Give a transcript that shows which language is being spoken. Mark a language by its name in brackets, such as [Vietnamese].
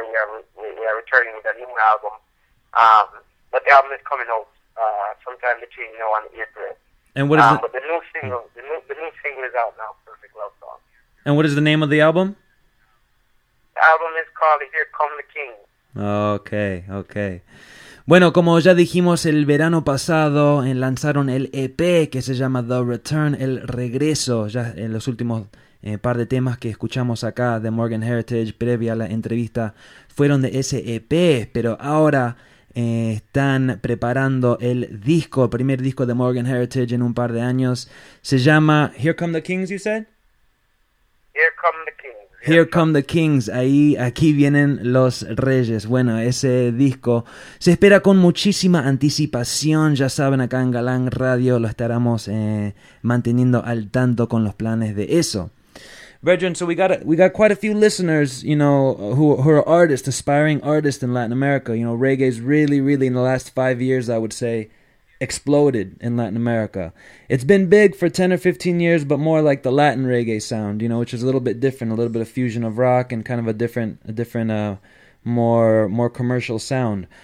[English] We are returning with a new album. But the album is coming out sometime between now and April. And what is the... But the new single, the new single is out now, Perfect Love Song. And what is the name of the album? The album is called Here Come the King. Okay. [Spanish] Bueno, como ya dijimos, el verano pasado lanzaron el EP que se llama The Return, El Regreso, ya en los últimos par de temas que escuchamos acá de Morgan Heritage previa a la entrevista fueron de ese EP, pero ahora están preparando el primer disco de Morgan Heritage en un par de años. Se llama Here Come the Kings, [English] you said? Here Come the Kings. [Spanish] Here Come the Kings, aquí vienen los reyes. Bueno, ese disco se espera con muchísima anticipación. Ya saben, acá en Galán Radio lo estaremos manteniendo al tanto con los planes de eso. [English] Brethren, so we got quite a few listeners, you know, who are artists, aspiring artists in Latin America. You know, reggae's really, really in the last 5 years, I would say, exploded in Latin America. It's been big for 10 or 15 years, but more like the Latin reggae sound, you know, which is a little bit different, a little bit of fusion of rock and kind of a different, more commercial sound.